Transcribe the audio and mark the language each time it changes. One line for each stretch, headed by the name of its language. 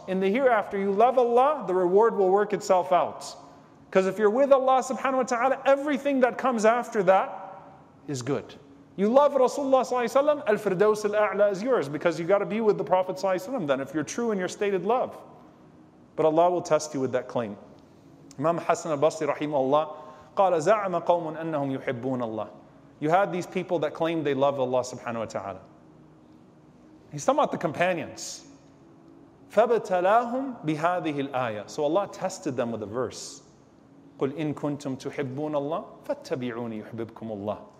English: In the hereafter, you love Allah, the reward will work itself out. Because if you're with Allah subhanahu wa ta'ala, everything that comes after that is good. You love Rasulullah sallallahu alayhi wa sallam, al-firdaus al-a'la is yours, because you've got to be with the Prophet sallallahu alayhi wa sallam then, if you're true in your stated love. But Allah will test you with that claim.
Arabic: Imam Hassan al-Basri rahimahullah, قَالَ زَعَمَ قَوْمٌ أَنَّهُمْ يُحِبُّونَ اللَّهِ.
English: You had these people that claimed they love Allah subhanahu wa ta'ala. He's talking about the companions.
Arabic: فَبَتَلَاهُمْ بِهَذِهِ الْآيَةِ.
English: So Allah tested them with a verse.
Arabic: قُلْ إِن كُنْتُمْ تُحِبُّونَ اللَّهِ فَاتَّبِعُونِ يُحْبِبْكُمُ اللَّهِ.